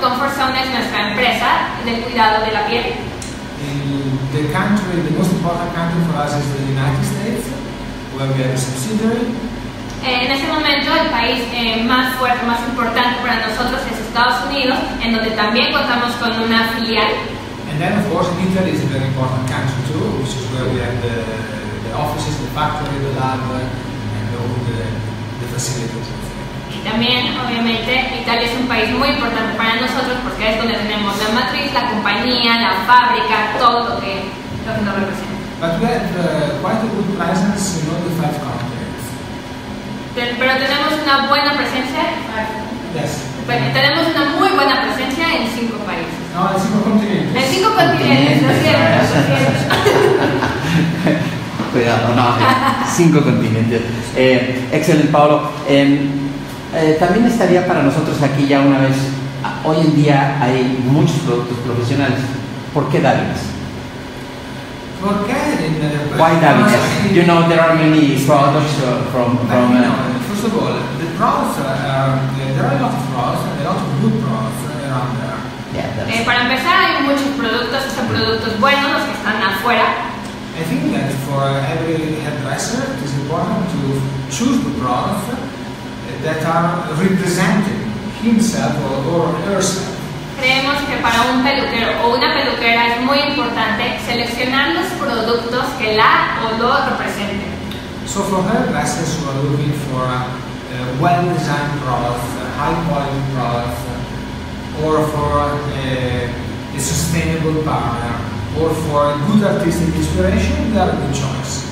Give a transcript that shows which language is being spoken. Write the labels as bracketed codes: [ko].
[es] Comfort Zone es nuestra empresa del cuidado de la piel. [en] The most important country for us is the United States, where we have a subsidiary. [es] En ese momento, el país más fuerte, más importante para nosotros es Estados Unidos, en donde también contamos con una filial. [en] And then, of course, Italy is a very important country too, which is where we have the offices, the factory, the lab, and all the facilities. [es] Y también, obviamente, Italia es un país muy importante para nosotros porque es donde tenemos la matriz, la compañía, la fábrica, todo lo que nos representa. [en] But we have quite a good presence in all the five continents. [es] Pero tenemos una buena presencia. [en] Yes. [es] Bueno, tenemos una muy buena presencia en cinco países. No, en cinco continentes. En cinco continentes, lo siento. Cuidado, no, cinco continentes. Excelente, Paolo. También estaría para nosotros aquí ya una vez, hoy en día hay muchos productos profesionales, ¿por qué Davines? ¿Por qué? [en] Why Davines? You know there are many products from you know, first of all, the products are, there are a lot of products, a lot of good products around there. Yeah, that's [es] Para empezar hay muchos productos, son productos buenos los que están afuera. [en] I think that for every hairdresser it is important to choose the products that are representing himself or herself. [es] Creemos que para un peluquero o una peluquera es muy importante seleccionar los productos que la o lo representen. [en] So for hairdressers who are looking for well-designed products, high-quality products, or for a sustainable partner, or for a good artistic inspiration, they are a good choice.